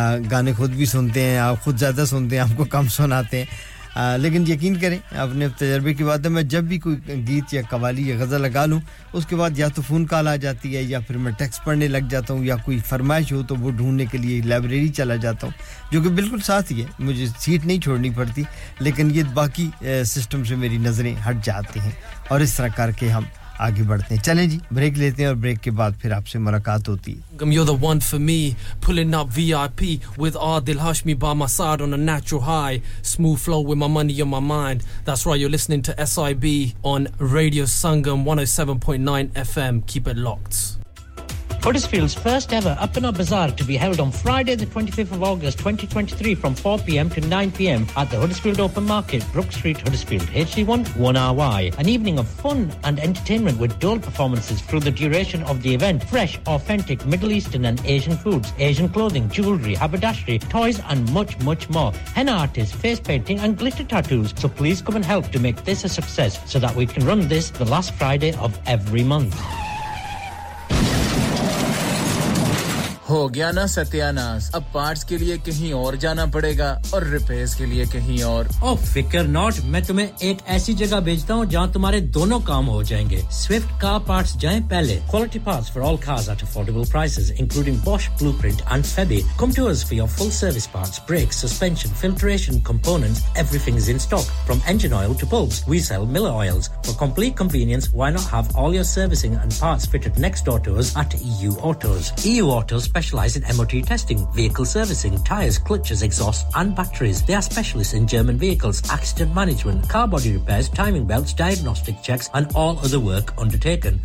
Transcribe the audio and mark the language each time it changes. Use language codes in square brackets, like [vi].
[ur] گانے خود بھی سنتے ہیں آپ خود زیادہ سنتے ہیں آپ کو کم سناتے ہیں لیکن یقین کریں اپنے تجربے کی بات ہے میں جب بھی کوئی گیت یا قوالی یا غزل لگا لوں اس کے بعد یا تو فون کال آ جاتی ہے یا پھر میں ٹیکسٹ پڑھنے لگ جاتا ہوں یا کوئی فرمائش ہو تو وہ ڈھونڈنے کے لیے لائبریری چلا جاتا ہوں جو کہ بالکل ساتھ ہی ہے مجھے سیٹ نہیں چھوڑنی پڑتی لیکن یہ باقی سسٹم سے میری نظریں ہٹ جاتی ہیں اور اس طرح کر کے ہم آگے بڑھتے ہیں چلیں جی بریک لیتے ہیں اور بریک کے بعد پھر آپ سے ملاقات ہوتی [en] ہے You're the one for me Pulling up VIP With Adil Hashmi by my side On a natural high Smooth flow with my money on my mind That's right you're listening to SIB On Radio Sangam 107.9 FM Keep it locked Huddersfield's first ever Up and Up Bazaar to be held on Friday the 25th of August 2023 from 4pm to 9pm at the Huddersfield Open Market, Brook Street, Huddersfield, HD1 1RY. An evening of fun and entertainment with dual performances through the duration of the event. Fresh, authentic Middle Eastern and Asian foods, Asian clothing, jewellery, haberdashery, toys and much, much more. Henna artists, face painting and glitter tattoos. So please come and help to make this a success so that we can run this the last Friday of every month. [ur] ہو گیا نا ستیاناس اب parts کے لیے کہیں اور جانا پڑے گا اور ریپیئرز کے لیے کہیں اور او فکر ناٹ میں تمہیں ایک ایسی جگہ بھیجتا ہوں جہاں تمہارے دونوں کام ہو جائیں گے سوئفٹ کار پارٹس جائیں پہلے [en] Quality parts for all cars at affordable prices including Bosch blueprint and Febi come to us for your full service parts brakes suspension filtration components everything is in stock from engine oil to bulbs we sell Miller oils for complete convenience why not have all your servicing and parts fitted next door to us at E U autos Specialize in MOT testing, vehicle servicing, tires, clutches, exhausts, and batteries. They are specialists in German vehicles, accident management, car body repairs, timing belts, diagnostic checks, and all other work undertaken.